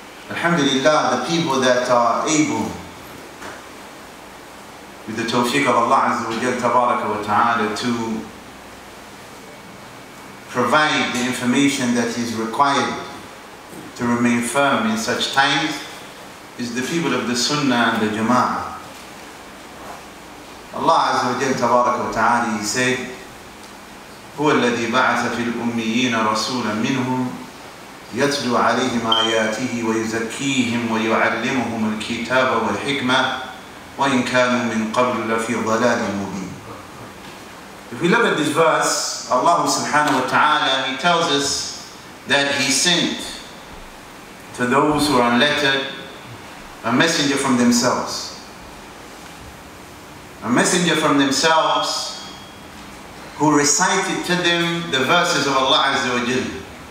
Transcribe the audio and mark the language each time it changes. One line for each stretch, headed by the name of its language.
English: Alhamdulillah, the people that are able, with the tawfiq of Allah Azza wa Jalla Tabaraka wa Ta'ala, to provide the information that is required to remain firm in such times, is the people of the Sunnah and the Jama'ah.
Arabic: Allah Azza wa Jalla Tabaraka wa Ta'ala,
English: He said,
Arabic: هو الذي بعث في الأميين رسولا منهم يتلو عليهم آياته ويزكيهم ويعلمهم الكتاب والحكمة وإن كانوا من قبل لفي ضلال مبين.
English: If we look at this verse, Allah subhanahu wa ta'ala, He tells us that He sent to those who are unlettered a messenger from themselves. A messenger from themselves who recited to them the verses of Allah Azza wa Jalla.